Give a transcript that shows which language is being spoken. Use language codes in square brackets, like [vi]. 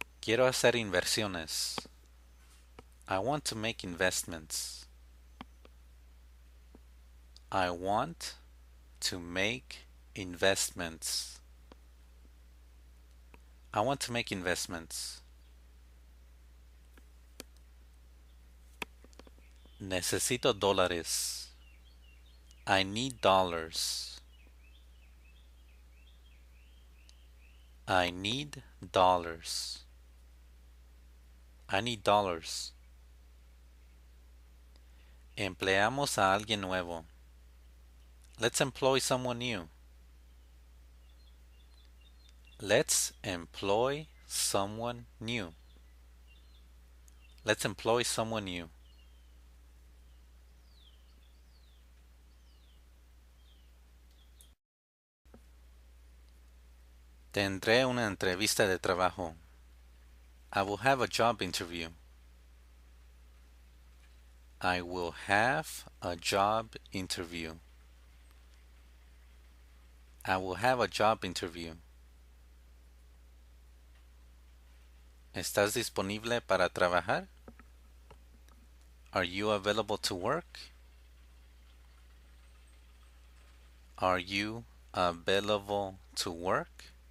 [es] Quiero hacer inversiones. [en] I want to make investments. I want to make investments. I want to make investments. [es] Necesito dólares. [en] I need dollars. I need dollars. I need dollars. [es] Empleamos a alguien nuevo. [en] Let's employ someone new. Let's employ someone new. Let's employ someone new. [es] Tendré una entrevista de trabajo. [en] I will have a job interview. I will have a job interview. I will have a job interview. [es] ¿Estás disponible para trabajar? [en] Are you available to work? Are you available to work?